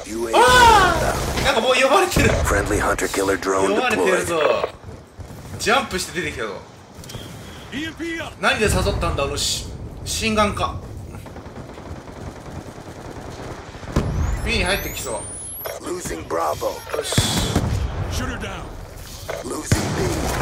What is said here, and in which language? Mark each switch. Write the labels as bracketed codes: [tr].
[ja] よー、なんかもう呼ばれてる。 [en] Friendly hunter killer drone deployed. [ja] 呼ばれてるぞ。ジャンプして出てきたぞ。何で誘ったんだ、あの心眼か。 B に入ってきそう。 [en] Losing Bravo. [ja] よし。 [en] Shooter down. Losing B.